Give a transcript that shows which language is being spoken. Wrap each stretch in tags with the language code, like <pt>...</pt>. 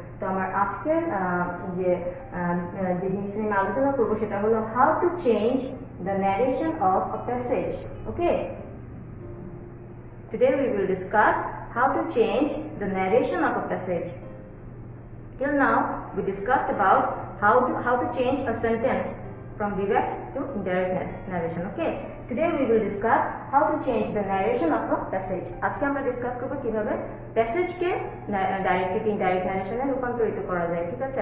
<bn>তো আমার আজকের যে জিনিস নিয়ে আলোচনা করবো সেটা হলো</bn> <en>How to change the narration of a passage. Okay, today we will discuss how to change the narration of a passage. Till now we discussed about how to change a sentence from direct to indirect narration. Okay, today we will discuss how to change the narration of a passage.</en> <bn>আজকে আমরা discuss করব কিভাবে passage কে direct থেকে indirect ন্যারেশনে রূপান্তরিত করা যায়, ঠিক আছে?</bn>